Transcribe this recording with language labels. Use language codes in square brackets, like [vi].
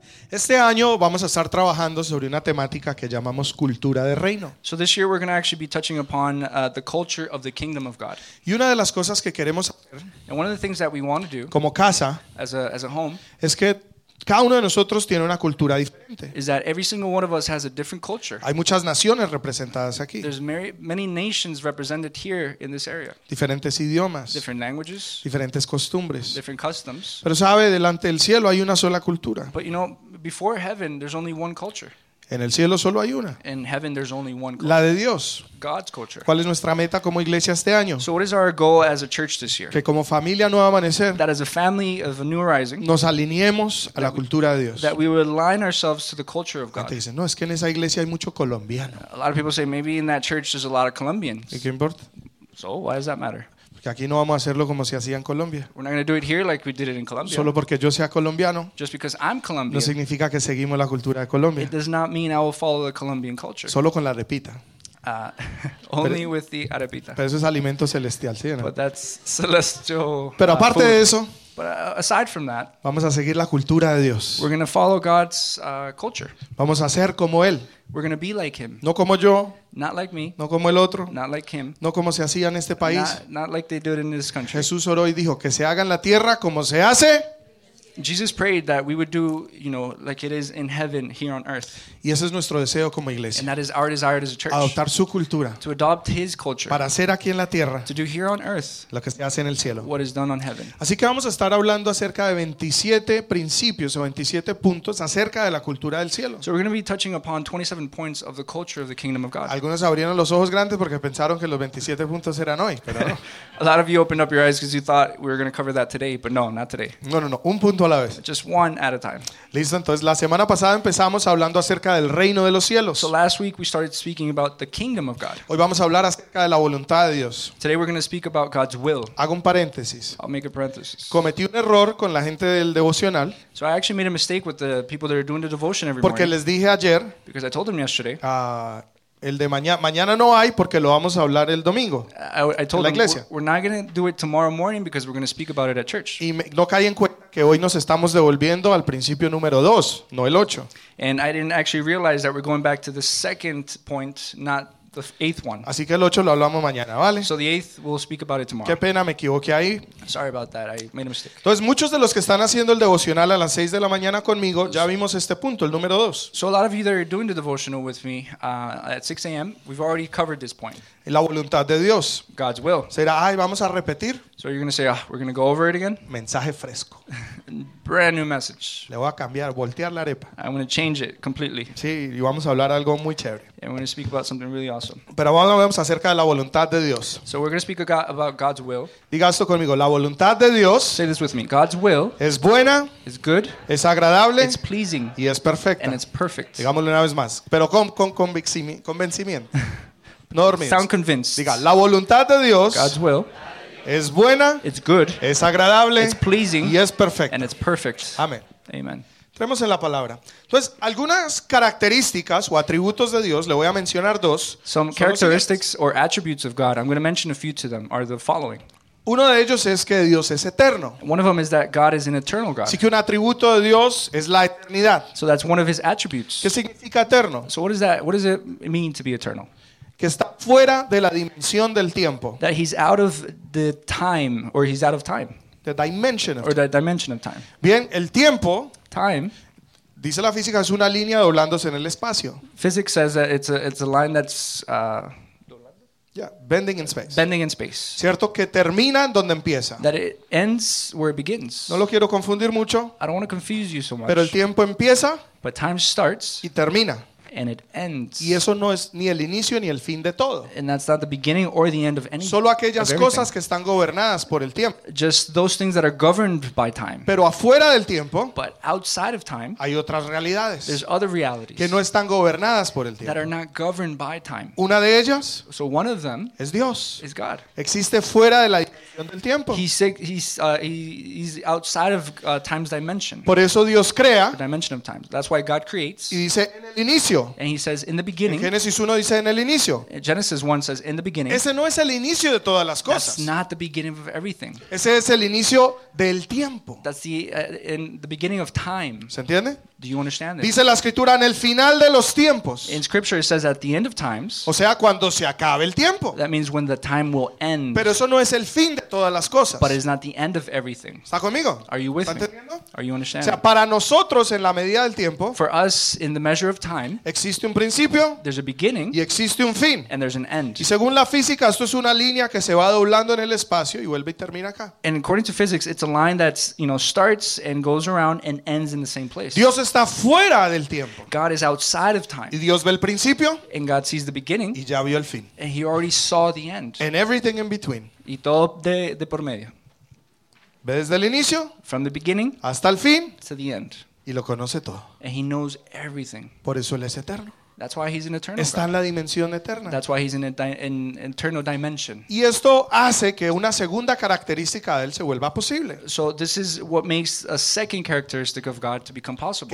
[es] Este año vamos a estar trabajando sobre una temática que llamamos cultura de reino. [en] So this year we're going to actually be touching upon the culture of the kingdom of God. [es] Y una de las cosas que queremos hacer, [en] and one of the things that we want to do, [es] como casa, [en] as a home, [es] es que cada uno de nosotros tiene una cultura diferente. [en] Is that every single one of us has a different culture. [es] Hay muchas naciones representadas aquí. [en] There's many nations represented here in this area. [es] Diferentes idiomas. [en] Different languages. [es] Diferentes costumbres. [en] Different customs. [es] Pero sabe, delante del cielo hay una sola cultura. [en] But you know, before heaven, there's only one culture. [es] En el cielo solo hay una. [en] In heaven, there's only one culture. [es] La de Dios. [en] God's culture. [es] ¿Cuál es nuestra meta como iglesia este año? [en] So what is our goal as a church this year? [es] Que como familia Nuevo Amanecer, [en] that as a family of a new rising, [es] nos alineemos a la cultura de Dios. [en] That we would align ourselves to the culture of God. [es] Gente dice, no, es que en esa iglesia hay mucho colombiano. [en] A lot of people say, maybe in that church there's a lot of Colombians. [es] ¿Y qué importa? [en] So why does that matter? [es] Que aquí no vamos a hacerlo como se hacía en Colombia. [en] We're not going to do it here like we did it in Colombia. [es] Solo porque yo sea colombiano. [en] Just because I'm Colombian. [es] No significa que seguimos la cultura de Colombia. [en] It does not mean I will follow the Colombian culture. [es] Solo con la arepita. [en] Only with the arepita. [es] Pero eso es alimento celestial, ¿sí o no? [en] But that's celestial. [es] Pero aparte [en] food. [es] De eso. [en] But aside from that. [es] Vamos a seguir la cultura de Dios. [en] We're going to follow God's culture. [es] Vamos a ser como Él. [en] We're going to be like Him. [es] No como yo. [en] Not like me. [es] No como el otro. [en] Not like him. [es] No como se hacía en este país. [en] Not like they do it in this country. [es] Jesús oró y dijo que se haga en la tierra como se hace. [en] Jesus prayed that we would do, you know, like it is in heaven here on earth. [es] Y ese es nuestro deseo como iglesia. [en] And that is our desire as a church. [es] Adoptar su cultura. [en] To adopt his culture. [es] Para hacer aquí en la tierra. [en] To do here on earth. [es] Lo que se hace en el cielo. [en] What is done on heaven. [es] Así que vamos a estar hablando acerca de 27 principios o 27 puntos acerca de la cultura del cielo. [en] So we're going to be touching upon 27 points of the culture of the kingdom of God. [es] Algunos abrieron los ojos grandes porque pensaron que los 27 puntos eran hoy, pero no. [en] A lot of you opened up your eyes because you thought we were going to cover that today, but no, not today. [es] No. Un punto a la vez. [en] Just one at a time. [es] Listo, entonces la semana pasada empezamos hablando acerca del reino de los cielos. [en] So last week we started speaking about the kingdom of God. [es] Hoy vamos a hablar acerca de la voluntad de Dios. [en] Today we're going to speak about God's will. [es] Hago un paréntesis. [en] I'll make a parenthesis. [es] Cometí un error con la gente del devocional. [en] So I actually made a mistake with the people that are doing the devotion every [es] porque [en] morning. [es] Porque les dije ayer. [en] Because I told them yesterday. [es] El de mañana no hay porque lo vamos a hablar el domingo. [en] I told [es] en la iglesia. [en] Them, we're not going to do it tomorrow morning because we're going to speak about it at church. [es] Y no caí en cuenta que hoy nos estamos devolviendo al principio número 2, no el 8. [en] And I didn't actually realize that we're going back to the second point, not the eighth one. [es] Así que el 8 lo hablamos mañana, ¿vale? [en] So the eighth we'll speak about it tomorrow. [es] Qué pena, me equivoqué ahí. [en] Sorry about that. I made a mistake. [es] Entonces, muchos de los que están haciendo el devocional a las 6 de la mañana conmigo, ya vimos este punto, el número 2. [en] So a lot of you that are doing the devotional with me at 6 a.m., we've already covered this point. [es] La voluntad de Dios. [en] God's will. [es] Será, ay, vamos a repetir. [en] So you're going to say, we're going to go over it again. [es] Mensaje fresco. [en] Brand new message. [es] Le voy a cambiar, voltear la arepa. [en] I'm going to change it completely. [es] Sí, y vamos a hablar algo muy chévere. [en] And we're going to speak about something really awesome. [es] Pero vamos a hablar acerca de la voluntad de Dios. [en] So we're going to speak about God's will. [es] Diga esto conmigo, la voluntad de Dios. [en] Say this with me. God's will. [es] Es buena. [en] Is good. [es] Es agradable. [en] It's pleasing. [es] Y es perfecta. [en] And it's perfect. [es] Digámoslo una vez más. Pero con convencimiento. No dormir. [en] Sound convinced. [es] Diga, la voluntad de Dios. [en] God's will. [es] Es buena. [en] It's good. [es] Es agradable. [en] It's pleasing. [es] Y es perfecta. [en] And it's perfect. [es] Amén. [en] Amen. [es] Entremos en la palabra. Entonces, algunas características o atributos de Dios, le voy a mencionar dos. [en] Some characteristics or attributes of God, I'm going to mention a few to them, are the following. [es] Uno de ellos es que Dios es eterno. [en] One of them is that God is an eternal God. [es] Así que un atributo de Dios es la eternidad. [en] So that's one of his attributes. [es] ¿Qué significa eterno? [en] So what is that? What does it mean to be eternal? [es] Que está fuera de la dimensión del tiempo. [en] That he's out of the time, or he's out of time. The dimension of time. Or the dimension of time. [es] Bien, el tiempo. [en] Time. [es] Dice la física, es una línea doblándose en el espacio. [en] Physics says that it's a line that's... bending in space. Bending in space. [es] Cierto que termina en donde empieza. [en] That it ends where it begins. [es] No lo quiero confundir mucho. [en] I don't want to confuse you so much. [es] Pero el tiempo empieza. [en] But time starts. [es] Y termina. [en] And it ends. [es] Y eso no es ni el inicio ni el fin de todo. [en] And that's not the beginning or the end of anything. [es] Solo aquellas cosas que están gobernadas por el tiempo. [en] Just those things that are governed by time. [es] Pero afuera del tiempo. [en] But outside of time. [es] Hay otras realidades. [en] There's other realities. [es] Que no están gobernadas por el tiempo. [en] That are not governed by time. [es] Una de ellas. [en] So one of them. [es] Es Dios. [en] Is God. [es] Existe fuera de la dimensión del tiempo. [en] He's outside of time's dimension. [es] Por eso Dios crea. [en] The dimension of time. That's why God creates. [es] Y dice en el inicio. [en] And he says in the beginning. [es] Genesis 1 dice en el inicio. [en] Genesis 1 says in the beginning. [es] Ese no es el inicio de todas las cosas. [en] That's not the beginning of everything. [es] Ese es el inicio del tiempo. [en] That's the beginning of time. [es] ¿Se entiende? [en] Do you understand this? [es] Dice la escritura en el final de los tiempos. [en] In scripture it says at the end of times. [es] O sea, cuando se acabe el tiempo. [en] That means when the time will end. [es] Pero eso no es el fin de todas las cosas. [en] But it's not the end of everything. [es] ¿Está conmigo? [en] Are you with me? [es] ¿Entendiendo? [en] Are you understanding? [es] O sea, para nosotros en la medida del tiempo. [en] For us in the measure of time. [es] Existe un principio. [en] There's a beginning. [es] Y existe un fin. [en] And there's an end. [es] Y según la física esto es una línea que se va doblando en el espacio y vuelve y termina acá. [en] And according to physics it's a line that's, you know, starts and goes around and ends in the same place. [es] Dios está fuera del tiempo. [en] God is outside of time. [es] Y Dios ve el principio. [en] And God sees the beginning. [es] Y ya vio el fin. [en] And he already saw the end. And everything in between. [es] Y todo de por medio. Ve desde el inicio. [en] From the beginning. [es] Hasta el fin. [en] To the end. [es] Y lo conoce todo. [en] And he knows everything. [es] Por eso él es eterno. [en] That's why he's an eternal. [es] Está en la dimensión eterna. [en] That's why he's in an eternal dimension. [es] Y esto hace que una segunda característica de él se vuelva posible. [en] So this is what makes a second characteristic of God to become possible.